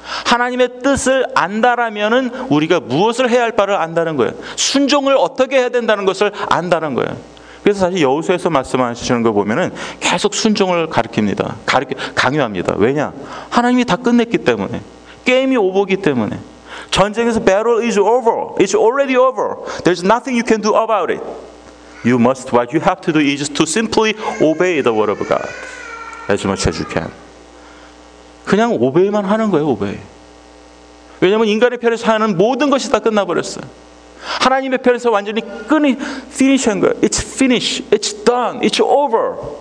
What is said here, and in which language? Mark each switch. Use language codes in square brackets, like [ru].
[ko] 하나님의 뜻을 안다라면은 우리가 무엇을 해야 할 바를 안다는 거예요. 순종을 어떻게 해야 된다는 것을 안다는 거예요. 그래서 사실 여호수아에서 말씀하시는 거 보면은 계속 순종을 가르칩니다. 강요합니다. 왜냐? 하나님이 다 끝냈기 때문에. 게임이 오버기 때문에. 전쟁에서 [en] battle is over. It's already over. There's nothing you can do about it. You must, what you have to do is to simply obey the word of God as much as you can. [ko] 그냥 오베이만 하는 거예요, 오베이. 왜냐하면 인간의 편에서 하는 모든 것이 다 끝나버렸어요. 하나님의 편에서 완전히 끈이 finish한 거예요. [en] It's finished. It's done. It's over.